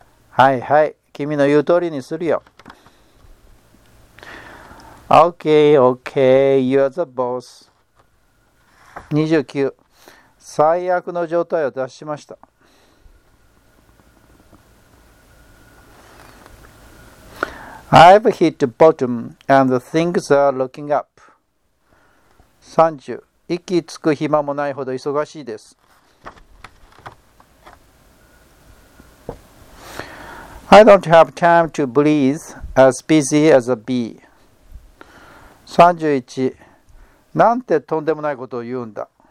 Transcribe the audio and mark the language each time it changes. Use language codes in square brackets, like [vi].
[ja] はいはい、君の言う通りにするよ。 [en] Okay, okay, you're the boss. 29. [ja] 最悪の状態を脱しました。 [en] I've hit the bottom and things are looking up. 30. [ja] 息つく暇もないほど忙しいです。 [en] I don't have time to breathe as busy as a bee. 31. [ja] なんてとんでもないことを言うんだ。